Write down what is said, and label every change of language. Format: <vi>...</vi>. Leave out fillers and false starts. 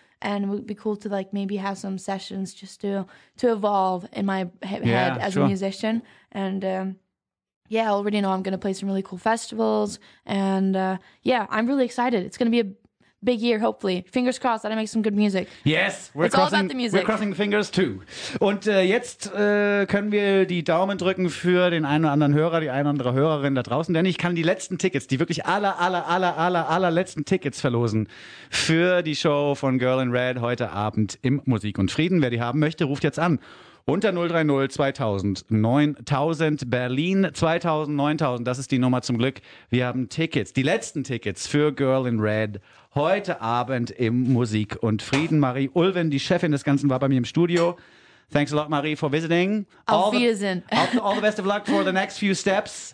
<en>And it would be cool to like maybe have some sessions just to evolve in my head, yeah, as, sure, a musician. And yeah, I already know I'm going to play some really cool festivals. And yeah, I'm really excited. It's going to be a big year, hopefully. Fingers crossed that I make some good music. Yes, it's all about the music. We're crossing fingers too.</en> <de>Und jetzt können wir die Daumen drücken für den einen oder anderen Hörer, die eine oder andere Hörerin da draußen, denn ich kann die letzten Tickets, die wirklich allerletzten Tickets verlosen für die Show von Girl in Red heute Abend im Musik und Frieden. Wer die haben möchte, ruft jetzt an. Unter 030 2000 9000 Berlin 2000 9000, das ist die Nummer zum Glück. Wir haben Tickets, die letzten Tickets für Girl in Red heute Abend im Musik und Frieden. Marie Ulven, die Chefin des Ganzen, war bei mir im Studio.</de> <en>Thanks a lot, Marie, for visiting.</en> <de>Auf Wiedersehen.</de> <en>All the best of luck for the next few steps.</en>